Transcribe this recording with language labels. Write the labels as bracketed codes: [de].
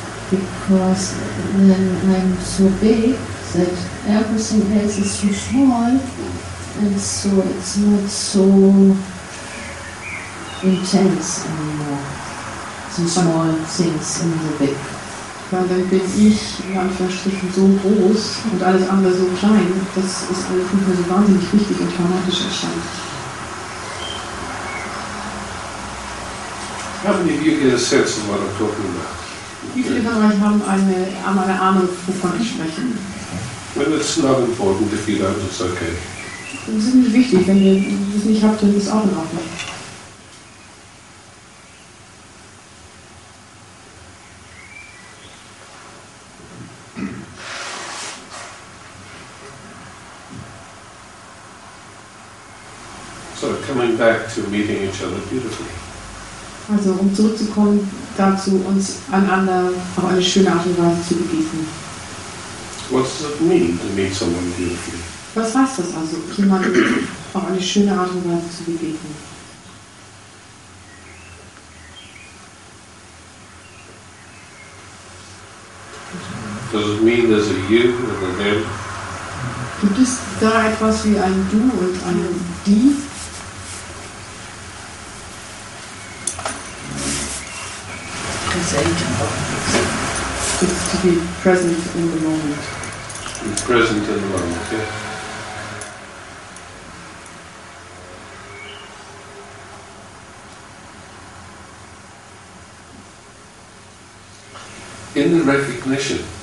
[en] Because then I'm so big that everything else is so small, and so it's not so intense anymore. So small things in the big. [de] Weil dann bin ich in Anführungsstrichen so groß und alles andere so klein, das ist alles nicht mehr so wahnsinnig wichtig und dramatisch erscheint. [en] How many of you get a sense of what I'm talking about? [de] Wie viele von euch haben eine Ahnung, wovon ich spreche? [en] Well, it's not important if you don't, it's okay. [de] Das ist nicht wichtig, wenn ihr das nicht habt, dann ist auch in Ordnung. [en] So, coming back to meeting each other beautifully. [de] Also um zurückzukommen dazu, uns einander auf eine schöne Art und Weise zu begegnen. [en] What does it mean to meet someone beautifully? [de] Was heißt das also, jemanden auf eine schöne Art und Weise zu begegnen? [en] Does it mean there's a you and a them? [de] Gibt es da etwas wie ein Du und ein Die? [en] To be present in the moment. Be present in the moment, yeah. In the recognition.